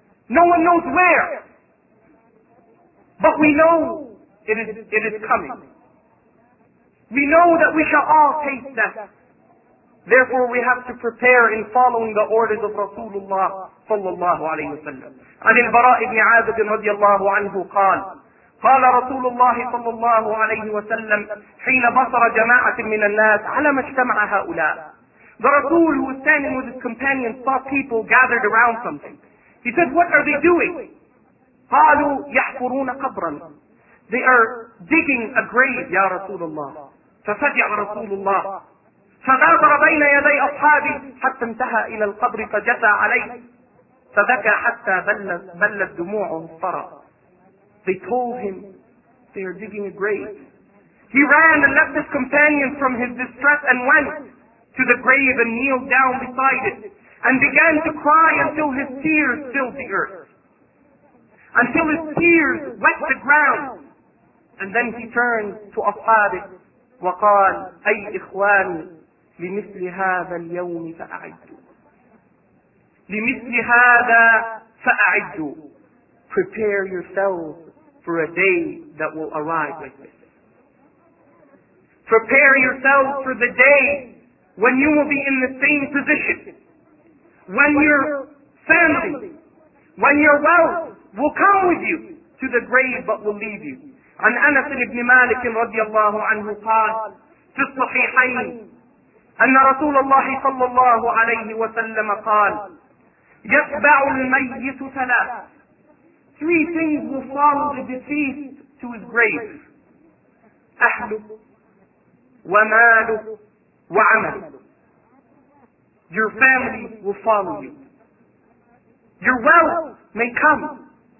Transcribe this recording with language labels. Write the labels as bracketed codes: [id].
[en] No one knows where. But we know it is coming. We know that we shall all taste death. Therefore, we have to prepare in following the orders of Rasulullah sallallahu alayhi wa sallam. [ar] عن البراء بن عازب رضي الله عنه قال قال رسول الله صلى الله عليه وسلم حين بصر جماعة من الناس على ما اجتمع هؤلاء. [en] The Rasul, who was standing with his companions, saw people gathered around something. He said, what are they doing? [ar] قالوا يحفرون قبرا. [en] They are digging a grave, [ar] يا رسول الله. ففجع رسول الله فغادر بين يدي أصحابه حتى انتهى إلى القبر فجثى عليه فبكى حتى بلت دموعه الصرى. [en] They told him they are digging a grave. He ran and left his companions from his distress and went to the grave and kneeled down beside it and began to cry until his tears filled the earth. Until his tears wet the ground. And then he turned to [ar] أصحابه وقال أي إخواني لمثل هذا اليوم فأعدوا. لمثل هذا فأعدوا. [en] Prepare yourselves for a day that will arrive like this. Prepare yourselves for the day when you will be in the same position. When your family, when your wealth will come with you to the grave but will leave you. [ar] عن أنس بن مالك رضي الله عنه قال في الصحيحين أن رسول الله صلى الله عليه وسلم قال يتبع الميت ثلاث. [en] Three things will follow the deceased to his grave. [ar] أهله وماله وعمله. [en] Your family will follow you. Your wealth may come.